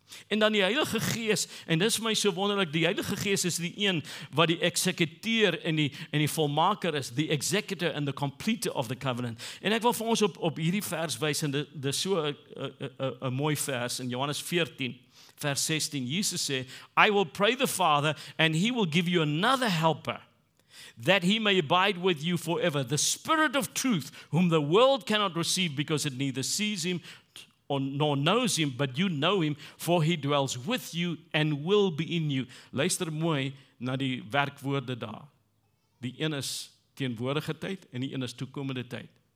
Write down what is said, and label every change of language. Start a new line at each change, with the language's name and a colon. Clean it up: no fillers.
Afrikaans: En dan die Heilige Gees, en dis vir my so wonderlik, die Heilige Gees is die een wat die eksekuteur en die volmaker is,
English: the executor and the completer of the covenant.
Afrikaans: En ek wil vir ons op hierdie vers wys, en dit is so 'n mooi vers in Johannes 14. Vers 16, Jesus sê,
English: I will pray the Father, and he will give you another helper, that he may abide with you forever, the Spirit of truth, whom the world cannot receive, because it neither sees him or nor knows him, but you know him, for he dwells with you and will be in you.
Afrikaans: Luister mooi na die werkwoorde daar. Die een is teenwoordige tyd en die een is toekomende tyd.